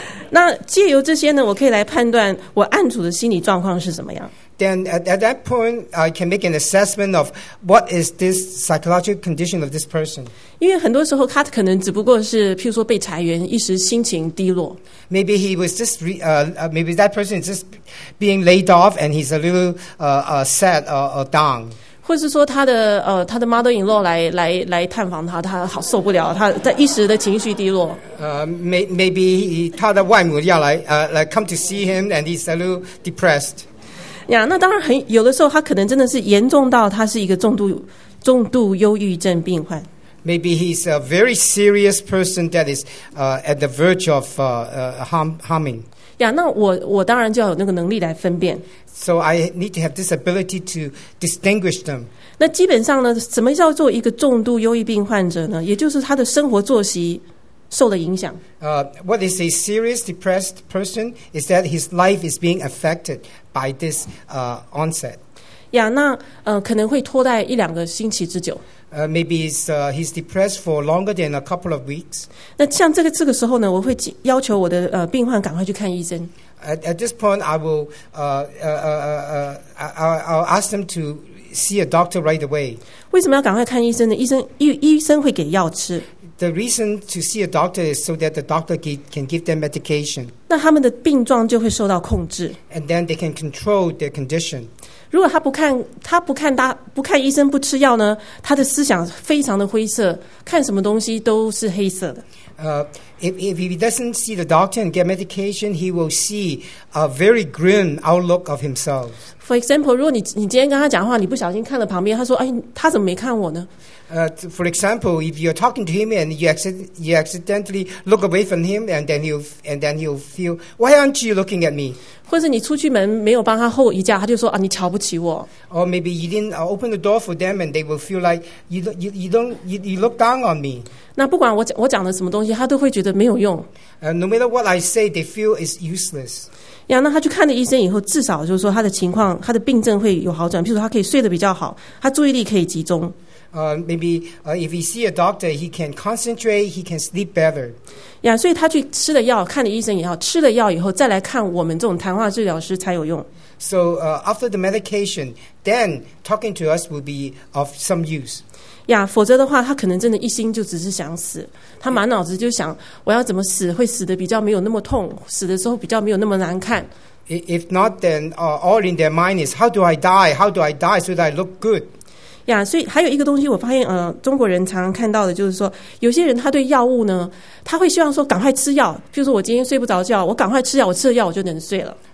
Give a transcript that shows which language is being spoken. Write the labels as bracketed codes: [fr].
[zh] 那藉由这些呢，我可以来判断我案主的心理状况是怎么样。 [en] Then at that point, I can make an assessment of what is this psychological condition of this person. [zh] 因为很多时候他可能只不过是，譬如说被裁员，一时心情低落。 [en] Maybe he was just maybe that person is just being laid off, and he's a little sad or down. [zh] 或是说他的 mother-in-law 来探访他，他好受不了，他在一时的情绪低落。 [en] Maybe [zh] 他的外母要来 [en] like come to see him, and he's a little depressed. [zh] Yeah, 那当然很有的时候他可能真的是严重到他是一个重度忧郁症病患。 [en] Maybe he's a very serious person that is at the verge of harming. [zh] Yeah, 那我当然就要有那个能力来分辨。 [en] So I need to have this ability to distinguish them. [zh] 那基本上呢，什么叫做一个重度忧郁病患者呢？也就是他的生活作息受了影响。 [en] What is a serious depressed person is that his life is being affected by this onset. [zh] Yeah, 那可能会拖待一两个星期之久。 [en] Maybe he's depressed for longer than a couple of weeks. [zh] 那像这个时候呢，我会要求我的病患赶快去看医生。 [en] At this point, I will I'll ask them to. See a doctor right away. [zh] 为什么要赶快看医生呢？医生会给药吃。 [en] The reason to see a doctor is so that the doctor can give them medication. [zh] 那他们的病状就会受到控制。 [en] And then they can control their condition. [zh] 如果他不看医生不吃药呢，他的思想非常的灰色，看什么东西都是黑色的。 [en] If he doesn't see the doctor and get medication, he will see a very grim outlook of himself. For example, [zh] 如果你今天跟他讲话，你不小心看了旁边，他说：“哎，他怎么没看我呢？” [en] For example, if you're talking to him and you accidentally look away from him, and then he'll feel, "Why aren't you looking at me?" [zh] 或者你出去门没有帮他后一架，他就说：“啊，你瞧不起我。” [en] Or maybe you didn't open the door for them, and they will feel like you look down on me. [zh] 那不管我讲的什么东西，他都会觉得没有用。 [en] No matter what I say, they feel it's useless. [zh] Yeah, 那他去看了医生以后，至少就是说他的情况，他的病症会有好转。譬如说，他可以睡得比较好，他注意力可以集中。 [en] Maybe if he see a doctor, he can concentrate, he can sleep better. [zh] Yeah, 所以他去吃了药，看了医生以后，吃了药以后再来看我们这种谈话治疗师才有用。 [en] So after the medication, then talking to us will be of some use. [zh] Yeah, 否则的话他可能真的一心就只是想死，他满脑子就想我要怎么死会死得比较没有那么痛，死的时候比较没有那么难看。 [en] If not, then all in their mind is how do I die? How do I die so that I look good? [zh] Yeah, 所以还有一个东西我发现中国人常常看到的就是说，有些人他对药物呢，他会希望说赶快吃药，譬如说我今天睡不着觉，我赶快吃药，我吃了药我就能睡了。